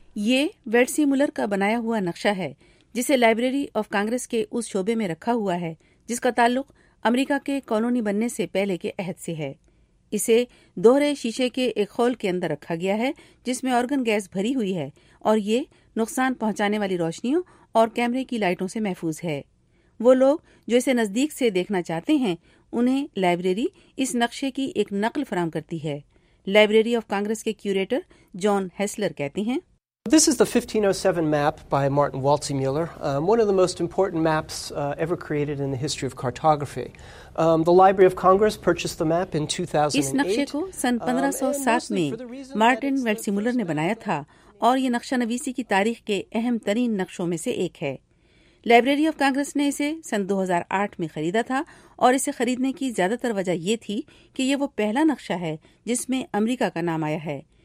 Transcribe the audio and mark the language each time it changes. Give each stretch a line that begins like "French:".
Urdu: یہ ویٹسی مولر کا بنایا ہوا نقشہ ہے جسے لائبریری آف کانگریس کے اس شعبے میں رکھا ہوا ہے جس کا تعلق امریکہ کے کالونی بننے سے پہلے کے عہد سے ہے۔ اسے دوہرے شیشے کے ایک خول کے اندر رکھا گیا ہے جس میں آرگن گیس بھری ہوئی ہے، اور یہ نقصان پہنچانے والی روشنیوں اور کیمرے کی لائٹوں سے محفوظ ہے۔ وہ لوگ جو اسے نزدیک سے دیکھنا چاہتے ہیں انہیں لائبریری اس نقشے کی ایک نقل فراہم کرتی ہے. لائبریری آف کانگریس کے کیوریٹر جان ہیسلر کہتے ہیں,
English: This is the 1507 map by Martin Waltzemuller, one of the most important maps ever created in the history of cartography. The Library of Congress purchased the map in 2008.
Urdu: اس نقشے کو سن 1507 میں Martin ویلٹسیمولر نے بنایا تھا اور یہ نقشہ نویسی کی تاریخ کے اہم ترین نقشوں میں سے ایک ہے. لائبریری آف کانگریس نے اسے سن 2008 میں خریدا تھا اور اسے خریدنے کی زیادہ تر وجہ یہ تھی کہ یہ وہ پہلا نقشہ ہے جس میں امریکہ کا نام آیا ہے.